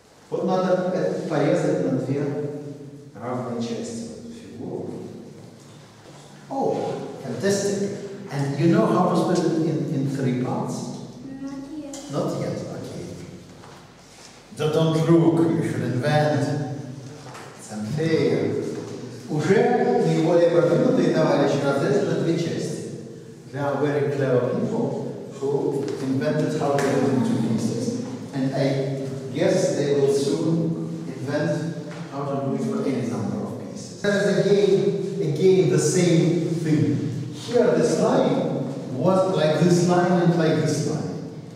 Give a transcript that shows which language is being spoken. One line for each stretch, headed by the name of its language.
Russian: Вот надо это порезать на две равные части фигуры.
English: Oh, fantastic! And you know how to split it in three parts? Not yet. Not yet, okay. Don't look, you should invent. It's unfair.
Russian: Уже наиболее продвинутые товарищи разрезали на две части.
English: They are very clever people. Who invented how to do two pieces, and I guess they will soon invent how to do it for any number of pieces. That is again the same thing. Here this line was like this line and like this line.